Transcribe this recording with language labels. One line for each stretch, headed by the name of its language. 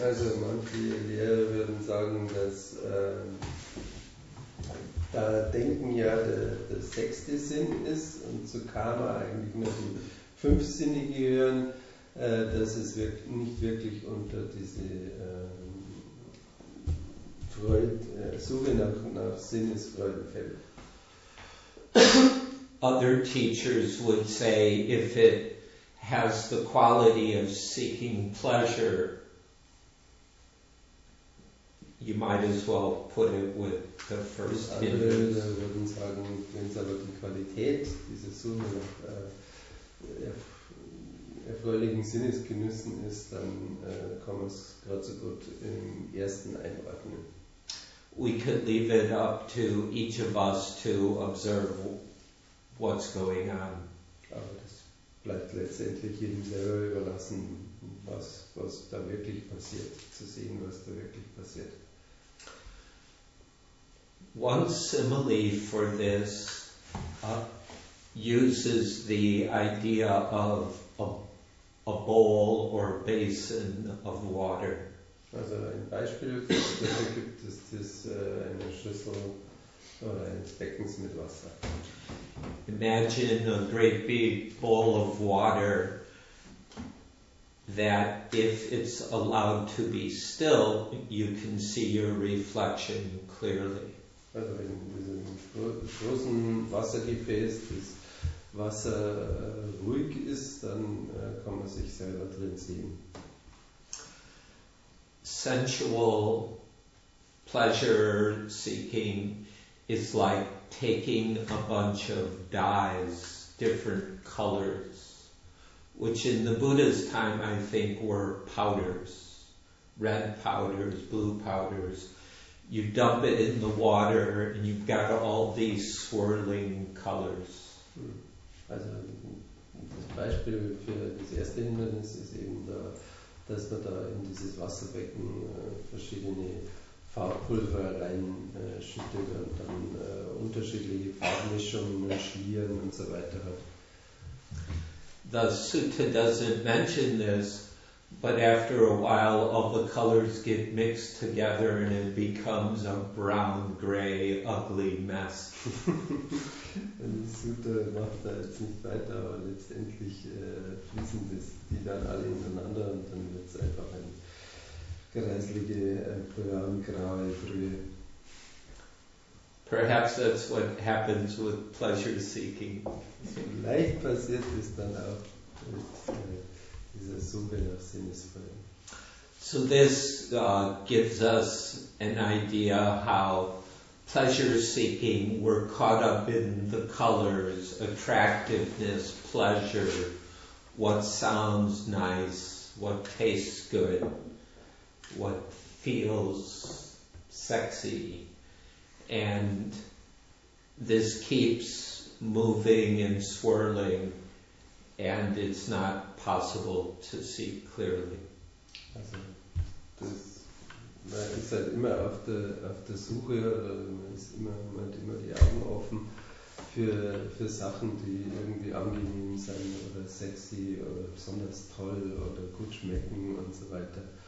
German: Also manche Lehrer würden sagen, dass da Denken ja der sechste Sinn ist und zu Kama eigentlich nur die fünf Sinne gehören, dass es nicht wirklich unter diese Suche nach Sinnesfreude fällt.
English: Other teachers would say if it has the quality of seeking pleasure, you might as well put it with the first hindrance.
German: Andere würden sagen, wenn es aber die Qualität dieser Suche nach erfreulichen Sinnesgenüssen ist, dann kann man es gerade so gut im ersten einordnen.
English: We could leave it up to each of us to observe what's going on.
German: Aber das bleibt letztendlich jedem selber überlassen, was da wirklich passiert, zu sehen, was da wirklich passiert.
English: One simile for this uses the idea of a bowl or basin of water.
German: Also ein Beispiel dafür gibt es eine Schüssel oder eines Beckens mit Wasser.
English: Imagine a great big bowl of water that if it's allowed to be still, you can see your reflection clearly.
German: Also in diesem großen Wassergefäß, das Wasser ruhig ist, dann kann man sich selber drin sehen.
English: Sensual pleasure seeking is like taking a bunch of dyes different colors, which in the Buddha's time, I think, were powders, red powders, blue powders. You dump it in the water, and you've got all these swirling colors.
German: Also, das Beispiel für das erste Hindernis ist eben, da, dass man da in dieses Wasserbecken verschiedene Farbpulver reinschüttet und dann unterschiedliche Farbmischungen und Schlieren und so weiter hat.
English: The sutta doesn't mention this, but after a while all the colors get mixed together and it becomes a brown, grey, ugly mess.
German: Und die Sutta macht da jetzt nicht weiter, aber letztendlich fließen das die dann alle ineinander und dann wird es einfach ein kreislige, braun-graue Brühe.
English: Perhaps that's what happens with pleasure seeking.
German: Vielleicht passiert es dann auch mit dieser Suche nach Sinnesfreude.
English: So this gives us an idea how pleasure seeking, we're caught up in the colors, attractiveness, pleasure, what sounds nice, what tastes good, what feels sexy. And this keeps moving and swirling, and it's not possible to see clearly.
German: Also, das, man ist halt immer auf der Suche, man ist immer, man hat immer die Augen offen für Sachen, die irgendwie angenehm sein oder sexy oder besonders toll oder gut schmecken und so weiter.